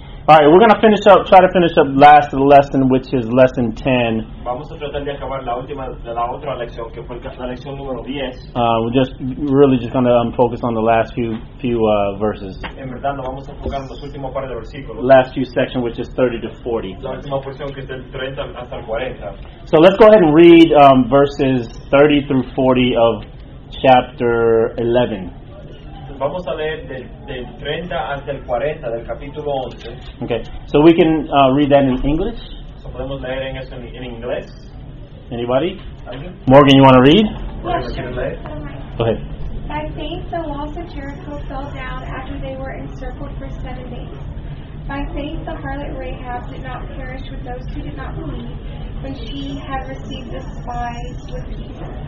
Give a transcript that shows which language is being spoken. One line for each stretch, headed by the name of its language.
English: All right, we're going to finish up, try to finish up last of the lesson, which is lesson 10.
Spanish: Vamos a tratar de acabar la última de la otra lección, que fue la lección número 10.
English: We're just really just going to focus on the last few verses.
Spanish: En verdad, nos vamos a enfocar en los últimos par de versículos.
English: Last few section, which is 30 to 40.
Spanish: La última porción, que es del 30 hasta el 40.
English: So let's go ahead and read verses 30 through 40 of chapter 11.
Spanish: Vamos a leer del 30 hasta el 40 del capítulo 11.
English: Okay, so we can read that in English.
Spanish: So podemos leer en eso en inglés.
English: Anybody? Morgan, you want to read? Yes. Go ahead. By faith, the walls of Jericho fell down after they were encircled for 7 days. By faith, the harlot Rahab did not perish with those who did not believe, when she had received the spies with peace.